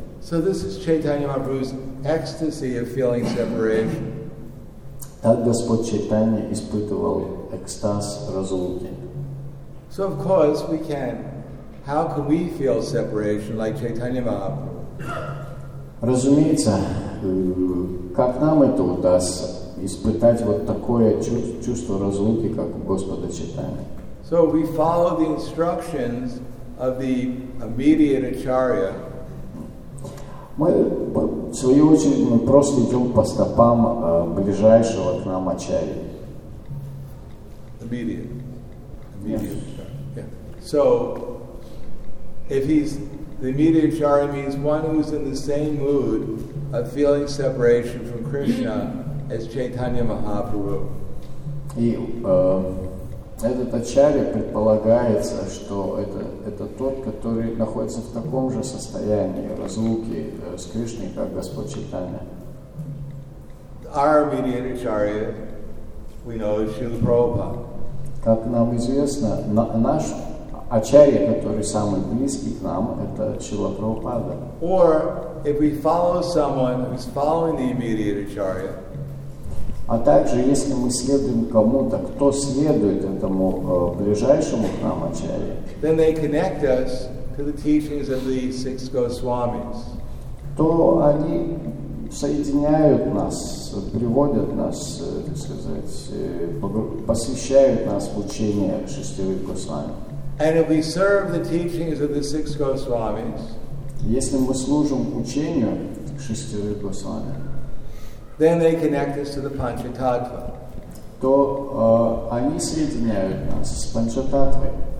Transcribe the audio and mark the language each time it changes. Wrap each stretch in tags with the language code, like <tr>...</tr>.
<en>So this is Chaitanya Mahaprabhu's ecstasy of feeling separation.</en> <ru>Так Господь Чайтанья испытывал экстаз разлуки.</ru> <en>So of course we can. How can we feel separation like Chaitanya Mahaprabhu?</en> <ru>Разумеется, как нам это удастся? Испытать вот такое чувство разлуки, как у Господа Чайтаньи.</ru> <en>So we follow the instructions of the immediate acharya.</en> <ru>Мы, в свою очередь, мы просто идем по стопам ближайшего к нам ачарьи.</ru> <en>Immediate. So, if he's the immediate acharya means one who's in the same mood of feeling separation from Krishna. As Chaitanya Mahaprabhu.</en> <ru>И этот ачарья предполагается, что это тот, который находится в таком же состоянии разлуки с Кришной, как Господь Чайтанья.</ru> <en>Our immediate acharya, we know, is Śrīla Prabhupāda.</en> <ru>Как нам известно, наш ачарья, который самый близкий к нам, это Śrīla Prabhupāda.</ru> <en>Or if we follow someone who's following the immediate acharya.</en> <ru>А также, если мы следуем кому-то, кто следует этому ближайшему к нам ачарье,</ru> <en>then they connect us to the teachings of the six Goswamis.</en> <ru>То они соединяют нас, приводят нас, так сказать, посвящают нас в учение шестерых Госвами.</ru> <en>And if we serve the teachings of the six Goswamis,</en> <ru>если мы служим учению шестерых Госвами,</ru> <en>then they connect us to the Panchatattva.</en> <ru>То они соединяют нас с Панчататвой.</ru>